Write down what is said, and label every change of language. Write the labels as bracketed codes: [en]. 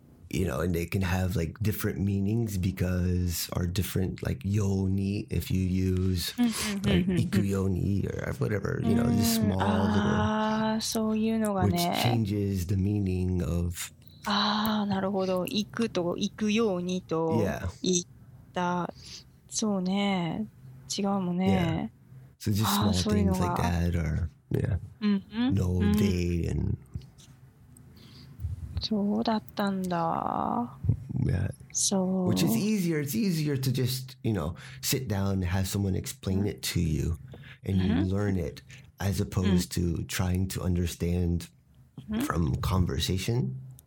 [en] you know, and they can have like different meanings because, or different like yoni, if you use like iku yoni or whatever, you know, just small which changes the meaning of. [ja] ああ、なるほど。行くと行くようにと言った。 [en] Yeah. [ja] そうね。違うもんね。 [en] Yeah. So just small things like that or no day and [ja] そうだったんだ。 [en] Yeah. So which is easier? It's easier to just, you know, sit down and have someone explain it to you and you learn it as opposed to trying to understand from conversation.